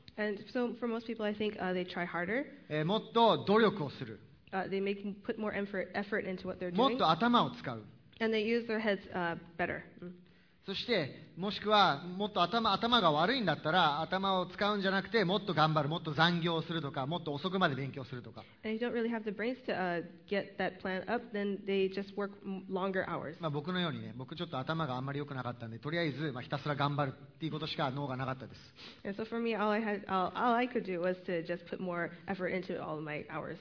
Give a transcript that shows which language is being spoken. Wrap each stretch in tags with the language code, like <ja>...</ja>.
<en>And so for most people, I think they try harder.</en> <ja>もっと努力をする。</ja> <en>They make put more effort into what they're doing.</en> <ja>もっと頭を使う。</ja> <en>And they use their heads better.</en> <ja>そしてもしくはもっと頭が悪いんだったら頭を使うんじゃなくてもっと頑張る、もっと残業をするとか、もっと遅くまで勉強するとか。</ja> <en>And if you don't really have the brains to get that plan up, then they just work longer hours.</en> <ja>まあ僕のようにね、僕ちょっと頭があんまり良くなかったんで、とりあえずまあひたすら頑張るっていうことしか脳がなかったです。</ja> <en>And so for me, all I could do was to just put more effort into all of my hours.</en>